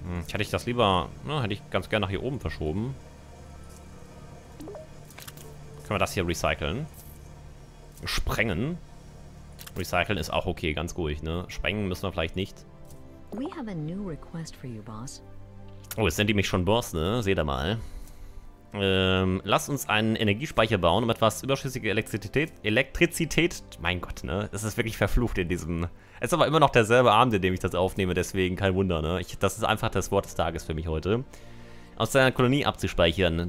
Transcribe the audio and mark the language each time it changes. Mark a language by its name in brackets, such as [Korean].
[German] Hätte ich das lieber... Na, hätte ich ganz gerne nach hier oben verschoben. Können wir das hier recyceln? Sprengen. Recyceln ist auch okay, ganz ruhig, ne? Sprengen müssen wir vielleicht nicht. [English] We have a new request for you, boss. [German] Oh, jetzt nennt die mich schon Boss, ne? Seht ihr mal. Lass uns einen Energiespeicher bauen, um etwas überschüssige Elektrizität... Mein Gott, ne? Das ist wirklich verflucht in diesem... Es ist aber immer noch derselbe Abend, in dem ich das aufnehme, deswegen kein Wunder, ne? Das ist einfach das Wort des Tages für mich heute. Aus seiner Kolonie abzuspeichern.